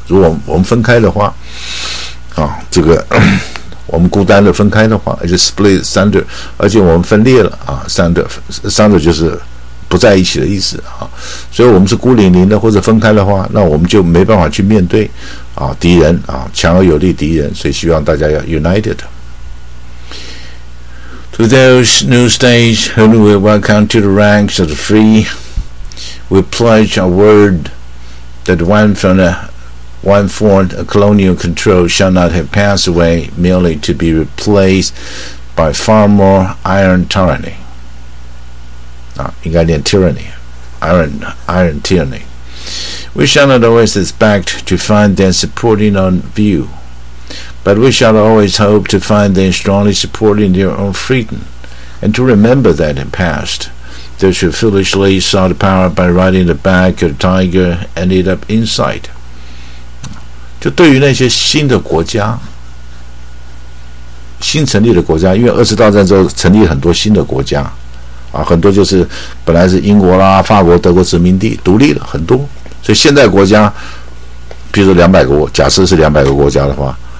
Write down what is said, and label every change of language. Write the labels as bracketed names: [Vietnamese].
[Chinese] 如果我们分开的话，啊，这个我们孤单的分开的话，而且 [English] split asunder， [Chinese] 而且我们分裂了啊 ，asunder 就是不在一起的意思啊。所以我们是孤零零的或者分开的话，那我们就没办法去面对啊敌人啊强而有力敌人，所以希望大家要 united。 [English] To those new states who we welcome to the ranks of the free, we pledge our word that one foreign colonial control shall not have passed away merely to be replaced by far more iron tyranny. [Chinese] 啊，应该念 [English] tyranny, iron tyranny. We shall not always expect to find them supporting our view. But we shall always hope to find them strongly supporting their own freedom, and to remember that in past, those who foolishly sought power by riding the back of the tiger ended up inside. [Chinese] 就对于那些新的国家，新成立的国家，因为二次大战之后成立很多新的国家，啊，很多就是本来是英国啦、法国、德国殖民地独立了很多，所以现在国家，比如说两百个国，假设是两百个国家的话。